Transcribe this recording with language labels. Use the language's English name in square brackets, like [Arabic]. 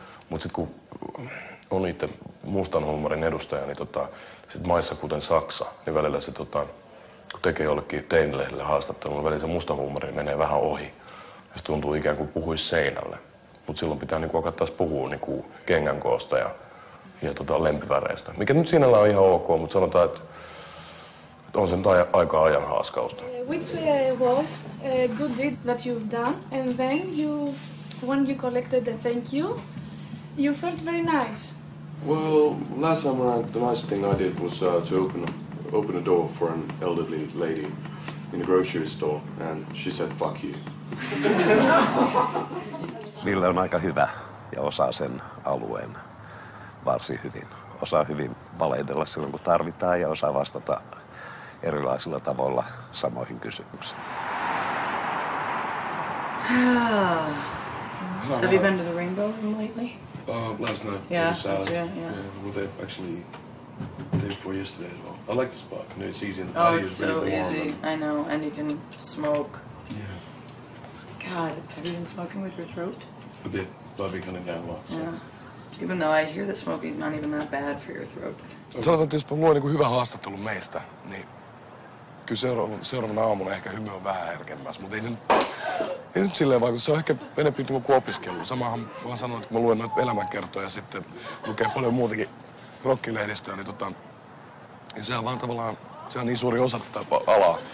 [Finnish] Mut sit kun on itse mustan huumorin edustaja, niin sit maissa kuten Saksa, niin välillä se kun tekee jollekin teinilehdelle haastattelun, niin välillä se musta huumori menee vähän ohi. Ja se tuntuu ikään kuin puhuisi seinälle. Mut silloin pitää niinku alkaa taas puhua niinku kengänkoosta ja lempiväreistä. Mikä nyt sinällään on ihan ok, mut sanotaan, että on sen aika ajan haaskausta. [English] Which was a good deed that you've done, and then when you collected the thank you felt very nice. Well, last time around, the nice thing I did was to open a door for an elderly lady in a grocery store, and she said fuck you. [Finnish] Ville on aika hyvä ja osaa sen alueen varsin hyvin. Osaa hyvin kappaleitella silloin, kun tarvitaan ja osaa vastata erilaisilla tavoilla samoihin kysymyksiin. [English] Have you been to the Rainbow Room lately? Last night. Yeah, that's yeah. Well, they actually day before yesterday as well. I like the spot. You know, it's easy. Oh, it's so easy. I know, and you can smoke. Yeah. God, have you been smoking with your throat? A bit, but I've been cutting down a lot. So. Yeah. Even though I hear that smoking is not even that bad for your throat. [Finnish] Sanotaan, että jos luo niin kuin hyvän haastattelun meistä, niin kyllä seuraavana aamuna ehkä hymy on vähän herkemmässä, mutta ei se nyt silleen vaikuta. Se on ehkä enemmän niin kuin opiskelu. Samahan vaan sanoin, että kun mä luen noita elämänkertoja ja sitten lukee paljon muutakin rockilehdistöä, niin, niin se on vaan tavallaan se on niin suuri osa tätä alaa.